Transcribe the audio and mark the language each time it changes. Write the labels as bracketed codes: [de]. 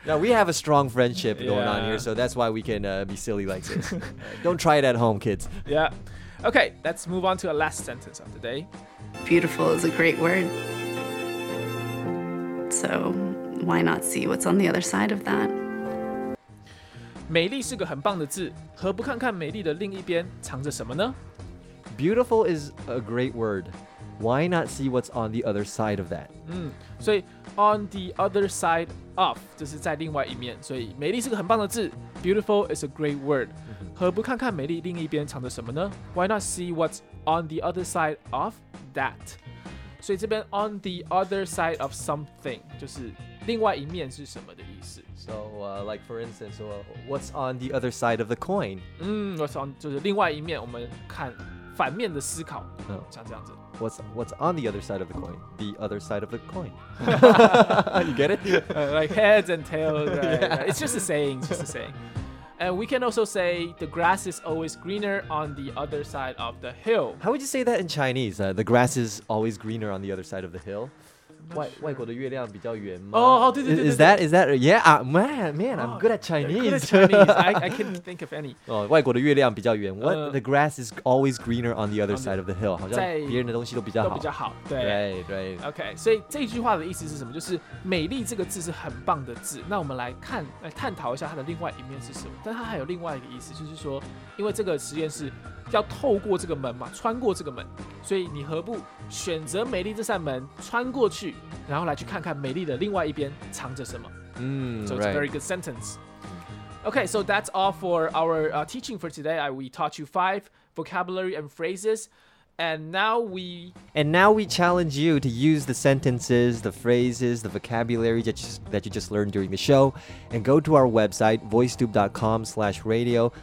[en] Now, we have a strong friendship going on here, so that's why we can be silly like this. Don't try it at home, kids. Yeah. Okay, let's move on to our last sentence of the day. Beautiful is a great word. So why not see what's on the other side of that? [zh] 美丽是个很棒的字，何不看看美丽的另一边藏着什么呢？ [en] Beautiful is a great word. Why not see what's on the other side of that? [zh] 所以 [en] on the other side of [zh] 就是在另外一面，所以美丽是个很棒的字。 [en] Beautiful is a great word. [zh] 何不看看美丽另一边藏着什么呢？ [en] Why not see what's on the other side of that? [zh] 所以这边 [en] on the other side of something [zh] 就是另外一面是什么的意思。 [en] So, like for instance, what's on the other side of the coin? What's on, [zh] 就是另外一面，我们看反面的思考，像这样子。 [en] What's on the other side of the coin? The other side of the coin. You get it? Like heads and tails, right? Yeah. It's just a saying, just a saying. And we can also say, the grass is always greener on the other side of the hill. How would you say that in Chinese? The grass is always greener on the other side of the hill? [zh] 外国的月亮比较圆吗？哦、 [en] oh, oh, [zh] ，对对对 [en] Is that, yeah, man, I'm good at Chinese. Good at Chinese, I can't think of any. [zh] 哦、外国的月亮比较圆。 [en] What? The grass is always greener on the other side of the hill. [zh] 好像别人的东西都比较好。都比较好，对。 [en] Right, right. [zh] Okay, 所以这句话的意思是什么？就是美丽这个字是很棒的字。那我们来看，来探讨一下它的另外一面是什么。但它还有另外一个意思，就是说，因为这个实验室要透过这个门嘛，穿过这个门，所以你何不选择美丽这扇门穿过去，然后来去看看美丽的另外一边藏着什么。 [en] So it's a very good sentence. Okay, so that's all for our teaching for today. We taught you 5 vocabulary and phrases, and now we challenge you to use the sentences, the phrases, the vocabulary that you just learned during the show, and go to our website voicetube.com/radio.